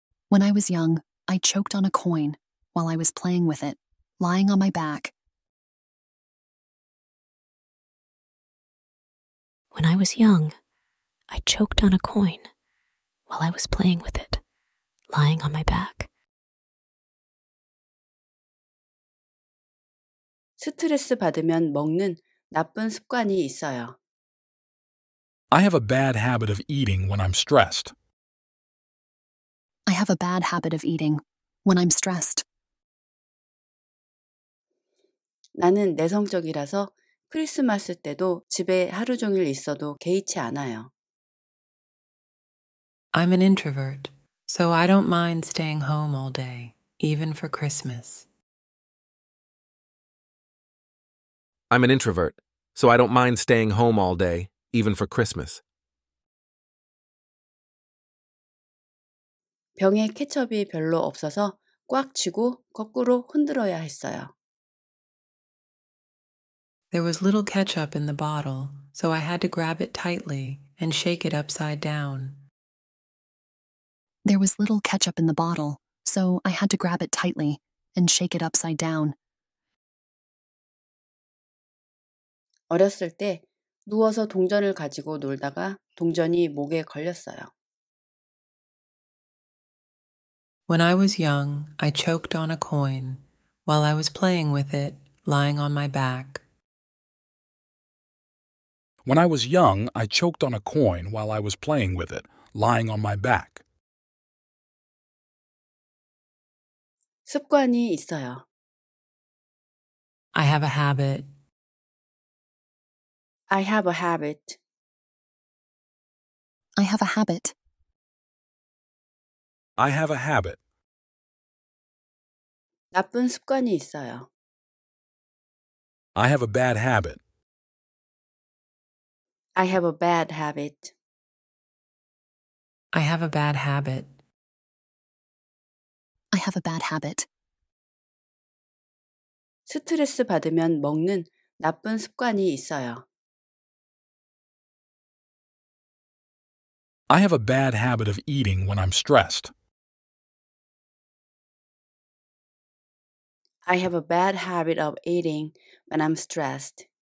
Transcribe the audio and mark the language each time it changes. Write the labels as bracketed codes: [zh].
[en] When I was young, I choked on a coin while I was playing with it, lying on my back. When I was young, I choked on a coin while I was playing with it, lying on my back. [ko] 스트레스 받으면 먹는 나쁜 습관이 있어요. [en] I have a bad habit of eating when I'm stressed. I have a bad habit of eating when I'm stressed. [ko] 나는 내성적이라서 크리스마스 때도 집에 하루 종일 있어도 개의치 않아요. [en] I'm an introvert, so I don't mind staying home all day, even for Christmas. I'm an introvert, so I don't mind staying home all day, even for Christmas. [ko] 병에 케첩이 별로 없어서 꽉 쥐고 거꾸로 흔들어야 했어요. [en] There was little ketchup in the bottle, so I had to grab it tightly and shake it upside down. There was little ketchup in the bottle, so I had to grab it tightly and shake it upside down. [ko] 어렸을 때 누워서 동전을 가지고 놀다가 동전이 목에 걸렸어요. [en] When I was young, I choked on a coin. While I was playing with it, lying on my back. When I was young, I choked on a coin while I was playing with it, lying on my back. [ko] 습관이 있어요. [en] I have a habit. I have a habit. I have a habit. I have a habit. [ko] 나쁜 습관이 있어요. [en] I have a bad habit. I have a bad habit. I have a bad habit. I have a bad habit. [ko] 스트레스 받으면 먹는 나쁜 습관이 있어요. [en] I have a bad habit of eating when I'm stressed. I have a bad habit of eating when I'm stressed.